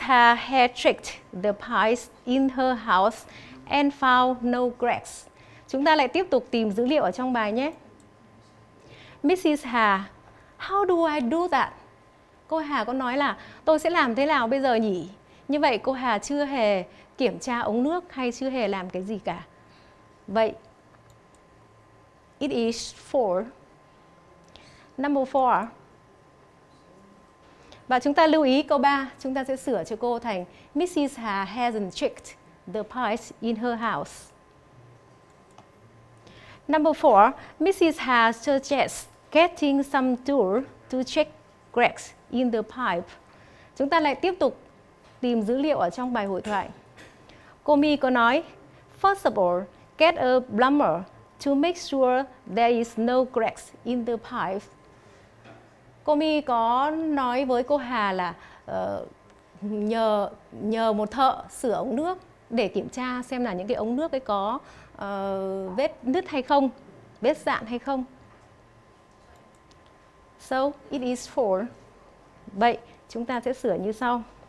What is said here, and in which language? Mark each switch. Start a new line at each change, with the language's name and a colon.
English: Ha had checked the pipes in her house and found no cracks.
Vietnamese: Chúng ta lại tiếp tục tìm dữ liệu ở trong bài nhé. Mrs. Ha,
English: how do I do that?
Vietnamese: Cô Hà có nói là tôi sẽ làm thế nào bây giờ nhỉ? Như vậy cô Hà chưa hề kiểm tra ống nước hay chưa hề làm cái gì cả.
English: Vậy, it is four. Number four.
Vietnamese: Và chúng ta lưu ý câu 3, chúng ta sẽ sửa cho cô thành Mrs.
English: Ha hasn't checked the pipes in her house. Number 4, Mrs. Ha suggests getting some tool to check cracks in the pipe.
Vietnamese: Chúng ta lại tiếp tục tìm dữ liệu ở trong bài hội thoại. Cô Mi có nói,
English: first of all, get a plumber to make sure there is no cracks in the pipe.
Vietnamese: Cô Mi có nói với cô Hà là nhờ một thợ sửa ống nước để kiểm tra xem là những cái ống nước ấy có vết nứt hay không, vết dạn hay không.
English: So, it is four.
Vietnamese: Vậy, chúng ta sẽ sửa như sau.